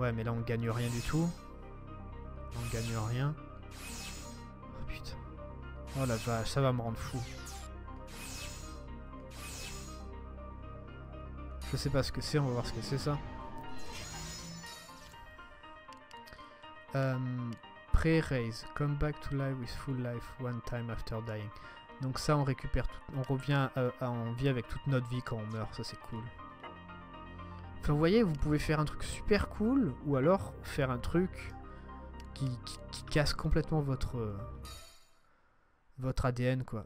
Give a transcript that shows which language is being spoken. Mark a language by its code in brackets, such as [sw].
[fr] Ouais, mais là on gagne rien du tout. On gagne rien. Oh putain. Oh la vache, ça va me rendre fou. Je sais pas ce que c'est, on va voir ce que c'est ça. [en] Pre-raise, come back to life with full life one time after dying. [fr] Donc ça, on récupère tout, on revient en vie avec toute notre vie quand on meurt, ça c'est cool. Enfin, vous voyez, vous pouvez faire un truc super cool, ou alors faire un truc qui casse complètement votre ADN, quoi.